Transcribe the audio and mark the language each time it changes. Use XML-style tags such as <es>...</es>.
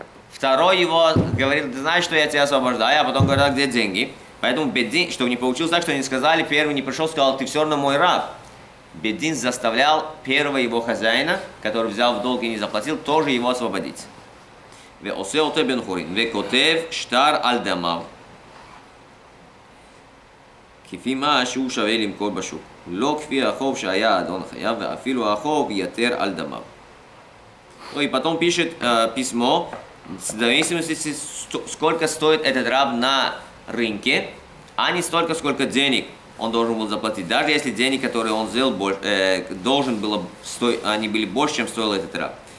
<ru>Второй его говорил, ты знаешь, что я тебя освобождаю, а потом говорил, где деньги? Поэтому Бедин, чтобы не получилось так, что они сказали, первый не пришел, сказал, ты все равно мой раб. Бедин заставлял первого его хозяина, который взял в долг и не заплатил, тоже его освободить.</ru> <he>ועושה אותו בן חורין, וכותב שטר על דמיו, כפי מה שהוא שווה למכור בשוק, לא כפי החוב שהיה אדון חייב, ואפילו החוב יתר על דמיו.</he> <ru>Ой, потом пишет письмо, в зависимости от того, сколько стоит этот раб на рынке, а не столько, сколько денег он должен был заплатить, даже если денег, которые он взял, должен был стоить, они были больше, чем стоил этот раб.</ru>